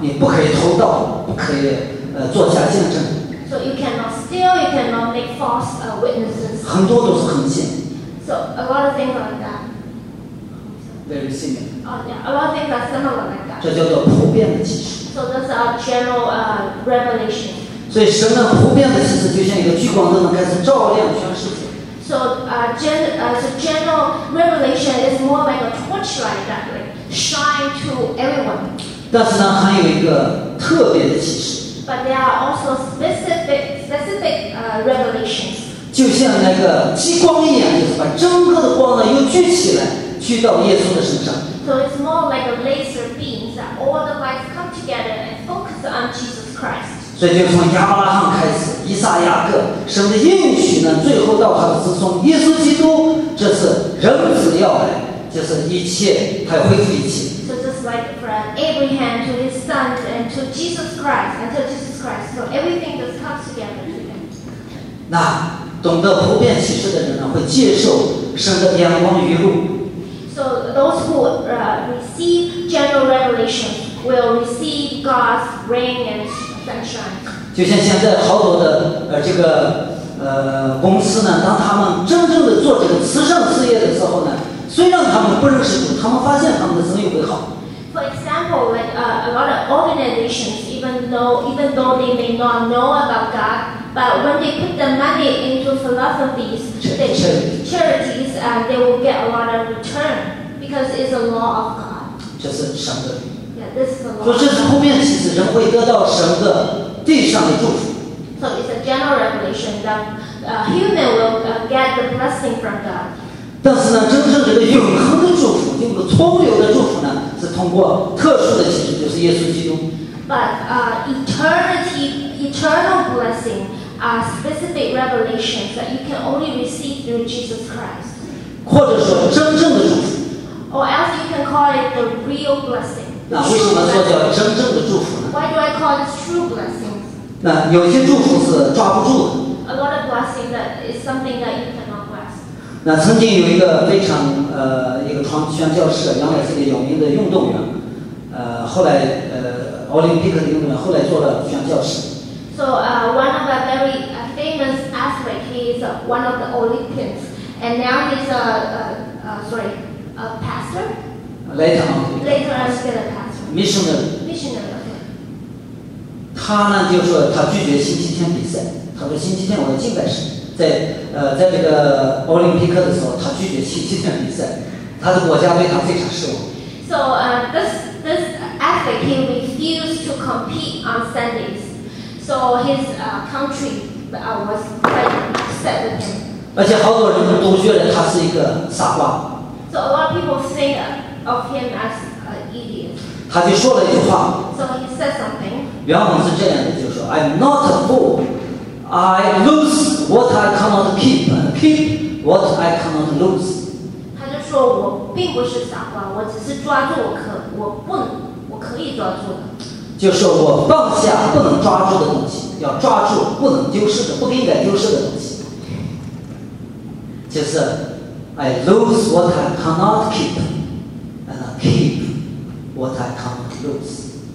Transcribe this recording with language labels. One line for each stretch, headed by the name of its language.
Chinese: 你不可以偷盗，不可以做假见证。
English: So you cannot steal, you cannot make false witnesses.
Chinese: 很多都是红线。
English: So a lot of things like that. Very similar. A lot of things are similar like that.
Chinese: 这叫做普遍的启示。
English: So that's a general revelation.
Chinese: 所以神的普遍的启示就像一个聚光灯开始照亮全世界。
English: So general revelation is more like a torchlight that way, shine to everyone.
Chinese: 但是呢，还有一个特别的启示。
English: But there are also specific revelations.
Chinese: 就像那个激光一样，就是把整个的光呢又聚起来，聚到耶稣的身上。
English: So it's more like a laser beam that all the lights come together and focus on Jesus Christ.
Chinese: 所以就从亚伯拉罕开始，以撒、雅各，神的应许呢，最后到他的子孙耶稣基督，这是人子要来，就是一切还恢复一切。
English: So just like from Abraham to his sons and to Jesus Christ, until Jesus Christ, so everything just comes together.
Chinese: 那懂得普遍启示的人呢，会接受神的眼光雨露。
English: So those who receive general revelation will receive God's rain and sunshine.
Chinese: 就像现在好多的这个公司呢，当他们真正的做这个慈善事业的时候呢，虽然他们不认识主，他们发现他们的生意会好。
English: For example, when a lot of organizations, even though they may not know about God, but when they put the money into philanthropies, charities, they will get a lot of return because it's a law of God.
Chinese: 这是神的。
English: Yeah, this is the law.
Chinese: 说这是普遍，其实人会得到神的地上的祝福。
English: So it's a general revelation that human will get the blessing from God.
Chinese: 但是呢，真正这个永恒的祝福，这个充流的祝福呢，是通过特殊的形式，就是耶稣基督。
English: But eternal blessing are specific revelations that you can only receive through Jesus Christ.
Chinese: 或者说真正的祝福。
English: Or else you can call it the real blessing.
Chinese: 那为什么说叫真正的祝福呢
English: ？Why do I call it true blessing?
Chinese: 那有些祝福是抓不住的。
English: A lot of blessing that is something that you cannot.
Chinese: 那曾经有一个非常一个传教士，原来是一个有名的运动员，后来奥林匹克的运动员，后来做了传教士。
English: So one of a very famous athlete, he is one of the Olympians, and now he's a pastor. Later on, still a pastor. Missionary. Okay.
Chinese: 他呢，就是他拒绝星期天比赛，他说星期天我要敬拜神。在这个奥林匹克的时候，他拒绝星期天比赛，他的国家对他非常失望。
English: So this athlete refused to compete on Sundays, so his country was quite upset with him.
Chinese: 而且好多人都觉得他是一个傻瓜。
English: So a lot of people think of him as an idiot.
Chinese: 他就说了一句话。
English: So he said something.
Chinese: 原文是这样的，就是说
English: I'm not a fool. I lose what I cannot keep, and keep what I cannot lose.
Chinese: 他就说我并不是傻瓜，我只是抓住我可以抓住的。就是我放下不能抓住的东西，要抓住不能丢失的，不应该丢失的东西。就是
English: I lose what I cannot keep, and I keep what I cannot lose.